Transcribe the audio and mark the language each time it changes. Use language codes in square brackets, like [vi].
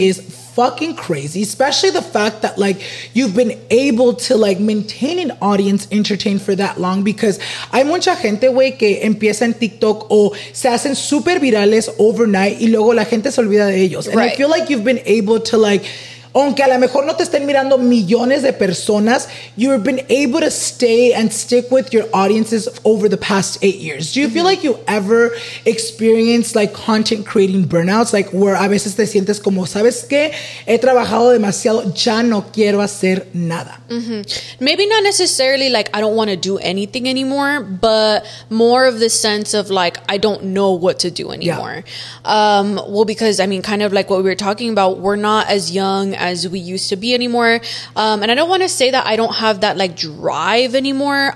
[en] is fucking crazy, especially the fact that like you've been able to like maintain an audience entertained for that long, because [es] hay mucha gente, güey, que empieza en TikTok o se hacen super virales overnight y luego la gente se olvida de ellos. [en] And right. I feel like you've been able to like, [es] aunque a lo mejor no te estén mirando millones de personas, [en] you've been able to stay and stick with your audiences over the past 8 years. Do you mm-hmm. feel like you ever experienced like content creating burnouts? Like where [es] a veces te sientes como, ¿sabes qué? He trabajado demasiado, ya no quiero hacer nada. Mm-hmm. [en] Maybe not necessarily like I don't want to do anything anymore, but more of the sense of like I don't know what to do anymore. Yeah. Well, because I mean, kind of like what we were talking about, we're not as young as we used to be anymore. And I don't want to say that I don't have that like drive anymore.